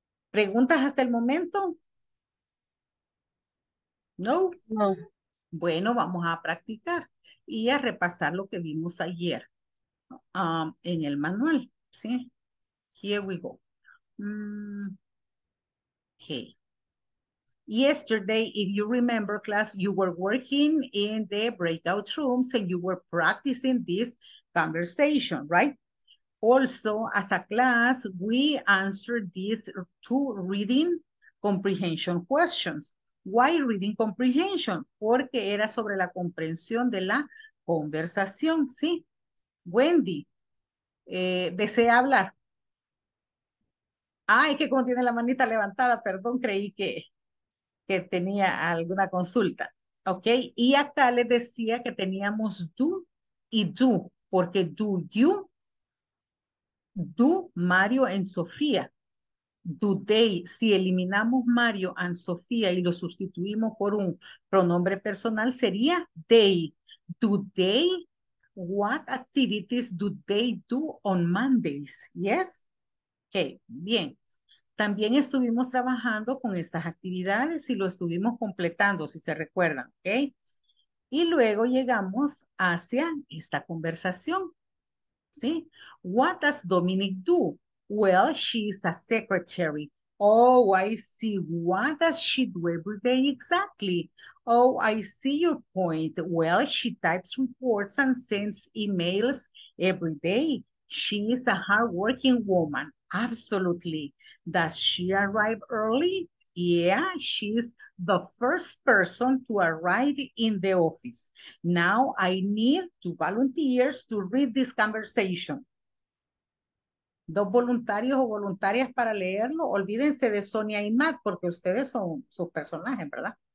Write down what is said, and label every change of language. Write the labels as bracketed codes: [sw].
[es] ¿Preguntas hasta el momento? ¿No? No. Bueno, vamos a practicar y a repasar lo que vimos ayer en el manual, ¿sí? [en] Here we go. Okay. Yesterday, if you remember, class, you were working in the breakout rooms and you were practicing this conversation, right? Also, as a class, we answered these two reading comprehension questions. Why reading comprehension? [es] Porque era sobre la comprensión de la conversación, ¿sí? Wendy, desea hablar. Ay, que como tiene la manita levantada, perdón, creí que tenía alguna consulta. Ok, y acá les decía que teníamos do y do, porque [en] do you, do Mario and Sofía, do they, [es] si eliminamos Mario and Sofía y lo sustituimos por un pronombre personal, sería they. [en] Do they, what activities do they do on Mondays? Yes? Ok, bien. [es] También estuvimos trabajando con estas actividades y lo estuvimos completando, si se recuerdan, ¿ok? Y luego llegamos hacia esta conversación, ¿sí? [en] What does Dominic do? Well, she's a secretary. Oh, I see. What does she do every day exactly? Oh, I see your point. Well, she types reports and sends emails every day. She is a hardworking woman. Absolutely. Does she arrive early? Yeah, she's the first person to arrive in the office. Now I need 2 volunteers to read this conversation. [es] 2 voluntarios o voluntarias para leerlo. Olvídense de Sonia y Matt porque ustedes son sus personajes, ¿verdad?